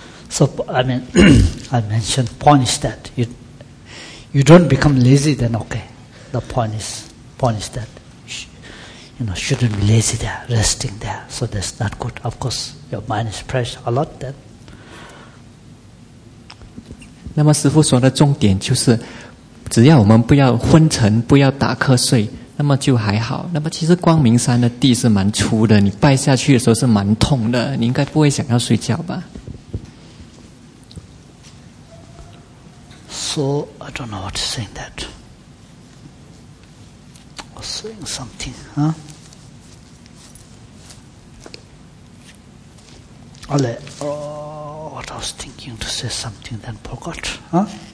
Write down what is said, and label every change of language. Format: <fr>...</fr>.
<en>So I mean, I mentioned point is that you don't become lazy. Then okay, the point is that you know shouldn't be lazy there, resting there. So that's not good. Of course, your mind is pressed a lot then.</en> <zh>那么师父说的重点就是，只要我们不要昏沉，不要打瞌睡，那么就还好。那么其实光明山的地是蛮粗的，你拜下去的时候是蛮痛的，你应该不会想要睡觉吧？</zh> <en>So I don't know what to say that. I was saying something, huh? Ale, oh, what I was thinking to say something then forgot, huh?</en>